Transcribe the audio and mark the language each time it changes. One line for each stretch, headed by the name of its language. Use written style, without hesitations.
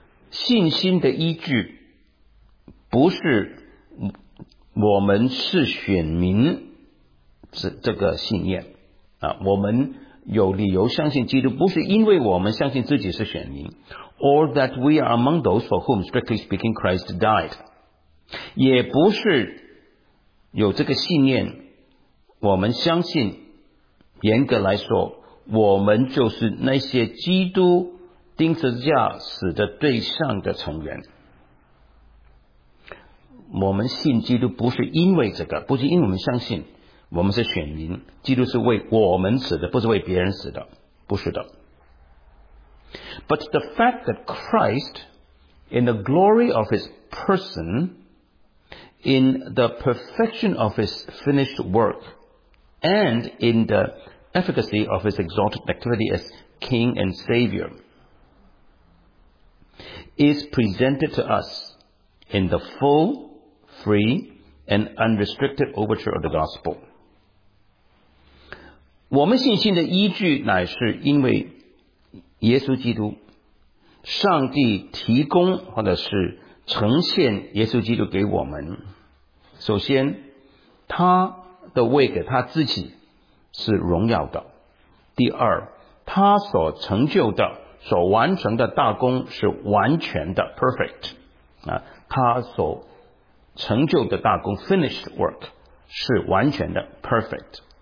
Chinese: 信心的依据不是我们是选民这个信念我们有理由相信基督，不是因为我们相信自己是选民。
English: Or that we are among those for whom strictly speaking Christ died，
Chinese: 也不是有这个信念我们相信严格来说我们就是那些基督钉十字架死的对象的成员。我们信基督不是因为这个，不是因为我们相信我们是选民，基督是为我们死的，不是为别人死的，不是的。
English: But the fact that Christ in the glory of his personIn the perfection of his finished work and in the efficacy of his exalted activity as King and Savior is presented to us in the full, free, and unrestricted overture of the gospel。
Chinese: 我们信心的依据乃是因为耶稣基督，上帝提供或者是呈现耶稣基督给我们。首先他的位给他自己是荣耀的，第二他所成就的所完成的大功是完全的 perfect 他所成就的大功 finished work 是完全的 perfect。